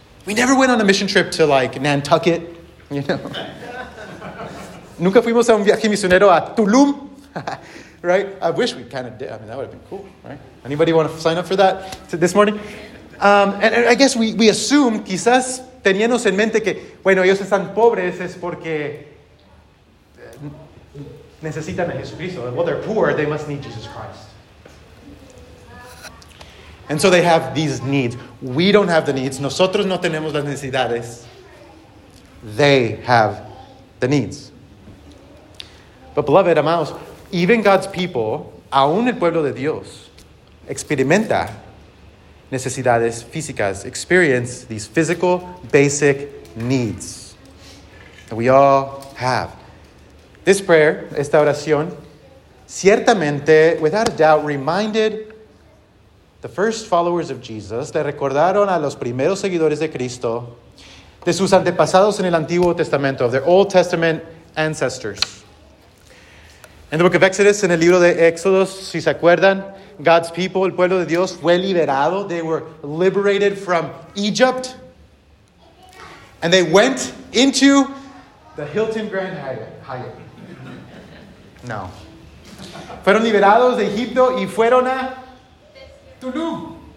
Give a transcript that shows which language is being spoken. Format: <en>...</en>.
<en>We never went on a mission trip to like Nantucket, you know.</en> <es>Nunca fuimos a un viaje misionero a Tulum,</es> <en>right? I wish we kind of did. I mean, that would have been cool, right? Anybody want to sign up for that this morning? And I guess we assume</en> <es>quizás. Teníamos en mente que, bueno, ellos están pobres es porque necesitan a Jesucristo.</es> <en>Well, they're poor, they must need Jesus Christ. And so they have these needs. We don't have the needs.</en> <es>Nosotros no tenemos las necesidades.</es> <en>They have the needs. But beloved,</en> <es>amados,</es> <en>even God's people,</en> <es>aún el pueblo de Dios, experimenta necesidades físicas,</es> <en>experience these physical basic needs that we all have. This prayer,</en> <es>esta oración, ciertamente,</es> <en>without a doubt, reminded the first followers of Jesus,</en> <es>le recordaron a los primeros seguidores de Cristo, de sus antepasados en el Antiguo Testamento,</es> <en>of their Old Testament ancestors. In the book of Exodus,</en> <es>en el libro de Éxodos, si se acuerdan,</es> <en>God's people,</en> <es>el pueblo de Dios, fue liberado.</es> <en>They were liberated from Egypt. And they went into the Hilton Grand Hyatt. No.</en> <es>Fueron liberados de Egipto y fueron a Tulum.</es>